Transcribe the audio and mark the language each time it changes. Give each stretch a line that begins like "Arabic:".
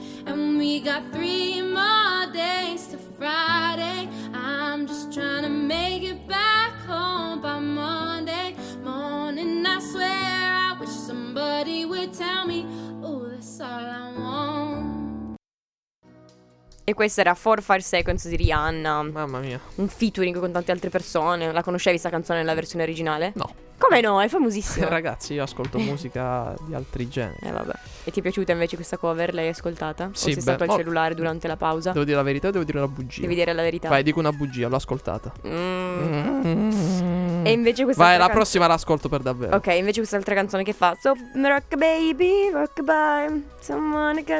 English: And we got 3 more days to Friday. I'm just trying to make it back home by Monday morning. I swear I wish somebody would tell me, oh, that's all I want.
Italian: E questa era
English: 4 or 5 seconds
Italian: di Rihanna. Mamma mia. Un featuring con tante altre persone. La conoscevi sta canzone nella versione originale? No. Come no? È famosissima. Ragazzi, io ascolto musica di altri generi. Vabbè. E ti è piaciuta invece questa cover? L'hai ascoltata? Sì, o sei stato al cellulare durante la pausa? Devo dire la verità o devo dire la bugia? Devi dire la verità. Vai, dico una bugia, l'ho ascoltata. E invece questa Vai, la prossima l'ascolto per davvero. Ok, invece quest'altra canzone che fa?
English: So, rock baby, rock by, someone got